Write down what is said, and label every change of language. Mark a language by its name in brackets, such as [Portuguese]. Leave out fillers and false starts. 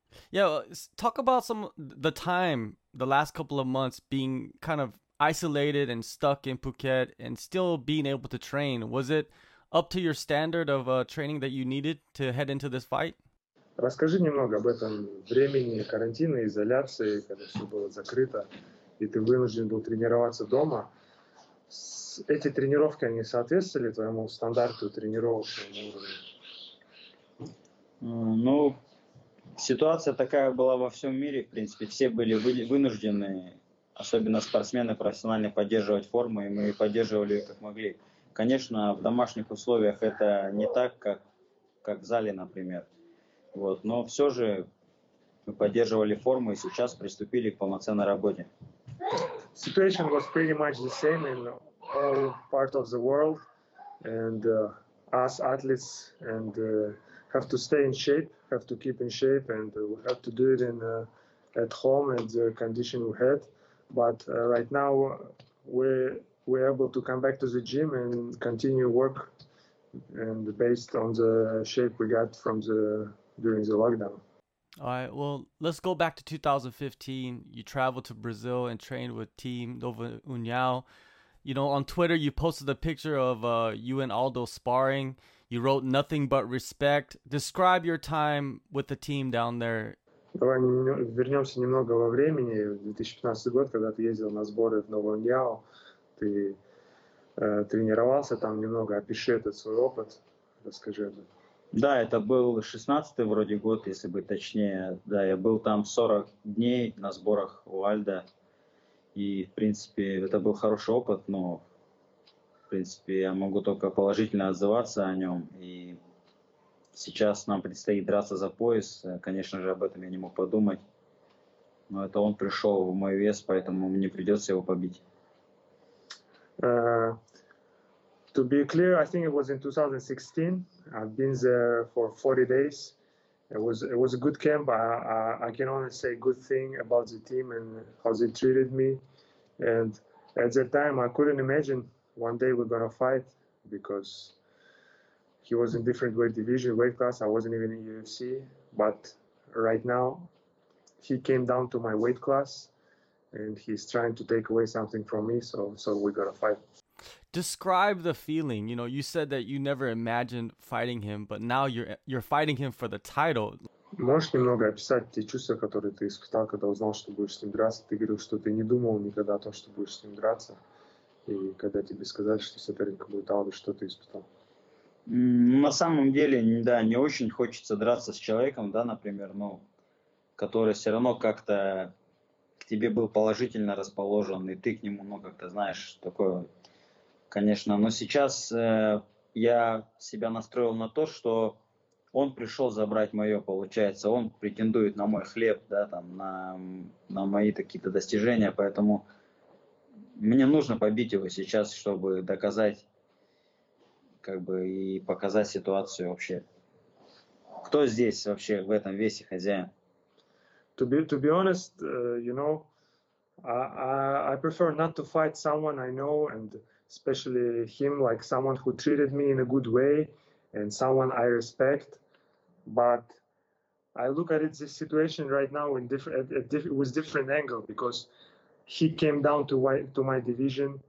[English] Yeah, talk about some the time, the last couple of months being kind of isolated and stuck in Phuket and still being able to train. Was it up to your standard of training that you needed to head into this fight? [Russian] Расскажи немного об этом времени карантина, изоляции, когда все было закрыто, и ты вынужден был тренироваться дома. Эти тренировки, они соответствовали твоему стандарту тренировочному уровню? Ну, ситуация такая была во всем мире, в принципе. Все были вынуждены, особенно спортсмены профессионально, поддерживать форму, и мы поддерживали ее как могли. Конечно, в домашних условиях это не так, как в зале, например. Вот, но все же мы поддерживали форму и сейчас приступили к полноценной работе. [English] Situation was pretty much the same in all parts of the world, and us athletes and have to stay in shape, have to keep in shape, and we have to do it in at home and the condition we had. But right now we're able to come back to the gym and continue work, and based on the shape we got from the during the lockdown. All right, well, let's go back to 2015. You traveled to Brazil and trained with Team Nova União. You know, on Twitter, you posted a picture of you and Aldo sparring. You wrote nothing but respect. Describe your time with the team down there. [Russian] Давай вернемся немного во времени. 2015 год, когда ты ездил на сборы в Nova União, ты тренировался там немного. Опиши этот свой опыт. Расскажи это. Да, это был 16-й вроде год, если быть точнее. Да, я был там 40 дней на сборах у Альдо. И, в принципе, это был хороший опыт, но, в принципе, я могу только положительно отзываться о нем. И сейчас нам предстоит драться за пояс. Конечно же, об этом я не мог подумать. Но это он пришел в мой вес, поэтому мне придется его побить. [English] To be clear, I think it was in 2016. I've been there for 40 days. It was a good camp. I can only say good thing about the team and how they treated me. And at that time, I couldn't imagine one day we're gonna fight because he was in different weight division, weight class. I wasn't even in UFC. But right now, he came down to my weight class and he's trying to take away something from me. So we're gonna fight. Describe the feeling. You know, you said that you never imagined fighting him, but now you're fighting him for the title. [Russian] Можешь немного описать те чувства, которые ты испытал, когда узнал, что будешь с ним драться? Ты говорил, что ты не думал никогда о том, что будешь с ним драться, и когда тебе сказали, что соперник будет Алды, что ты испытал? На самом деле, да, не очень хочется драться с человеком, да, например, но который все равно как-то к тебе был положительно расположен, и ты к нему, ну, как-то знаешь, такое. Конечно, но сейчас я себя настроил на то, что он пришел забрать мое, получается, он претендует на мой хлеб, да, там, на мои какие-то достижения, поэтому мне нужно побить его сейчас, чтобы доказать, как бы, и показать ситуацию вообще. Кто здесь вообще в этом весе хозяин? [English] To be honest, you know, I prefer not to fight someone I know and especially him, like someone who treated me in a good way and someone I respect. But I look at it, this situation right now in different angle, because he came down to my division.